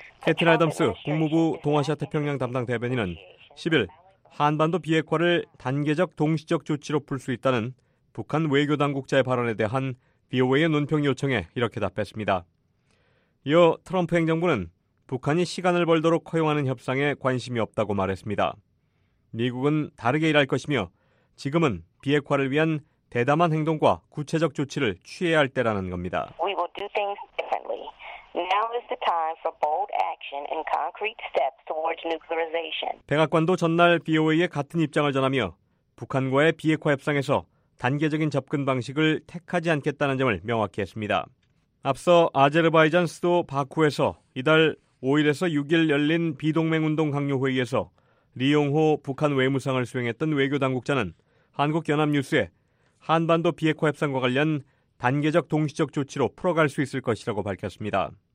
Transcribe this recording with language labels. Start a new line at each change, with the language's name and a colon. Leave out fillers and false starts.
Korean: 캐티 라이덤스 국무부 동아시아 태평양 담당 대변인은 10일 한반도 비핵화를 단계적 동시적 조치로 풀 수 있다는 북한 외교 당국자의 발언에 대한 VOA의 논평 요청에 이렇게 답했습니다. 이어 트럼프 행정부는 북한이 시간을 벌도록 허용하는 협상에 관심이 없다고 말했습니다. 미국은 다르게 일할 것이며 지금은 비핵화를 위한 대담한 행동과 구체적 조치를 취해야 할 때라는 겁니다.
English: We will do things differently. Now is the time for bold action and concrete steps towards nuclearization.
Korean: 백악관도 전날 BOA에 같은 입장을 전하며 북한과의 비핵화 협상에서 단계적인 접근 방식을 택하지 않겠다는 점을 명확히 했습니다. 앞서 아제르바이잔 수도 바쿠에서 이달 5일에서 6일 열린 비동맹운동 강요 회의에서 리용호 북한 외무상을 수행했던 외교 당국자는 한국연합뉴스에 한반도 비핵화 협상과 관련 단계적 동시적 조치로 풀어갈 수 있을 것이라고 밝혔습니다.